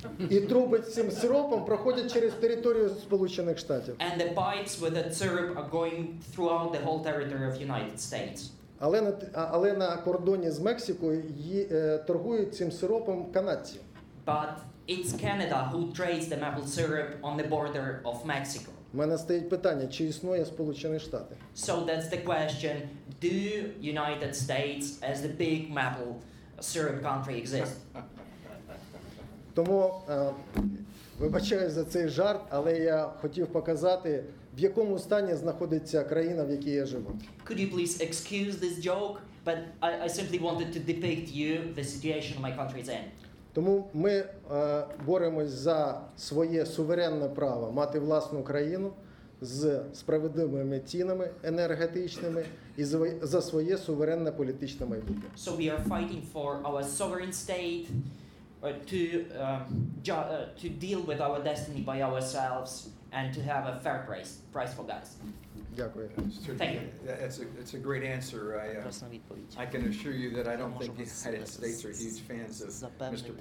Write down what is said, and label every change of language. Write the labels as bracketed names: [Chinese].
[Ukrainian] І труби з цим сиропом проходять через територію Сполучених Штатів. [English] And the pipes with the syrup are going throughout the whole territory of United States. [Ukrainian] Але на кордоні з Мексикою торгують цим сиропом канадці. [English] But it's Canada who trades the maple syrup on the border of Mexico. [Ukrainian] У мене стоїть питання, чи існує Сполучені Штати? [English] So that's the question, do United States as the big maple syrup country exist? [Ukrainian] Тому, вибачаю за цей жарт, але я хотів показати, в якому стані знаходиться країна, в якій я живу. [English] Could you please excuse this joke, but I simply wanted to depict you the situation my country is in. [Ukrainian] Тому ми боремось за своє суверенне право мати власну країну з справедливими цінами енергетичними і за своє суверенне політичне майбутнє. [English] So we are fighting for our sovereign state. To deal with our destiny by ourselves and to have a fair price for gas. [Ukrainian] Дякую. [English] Thank you. That's a great answer. I can assure you that I don't think the United States are huge fans of Mr.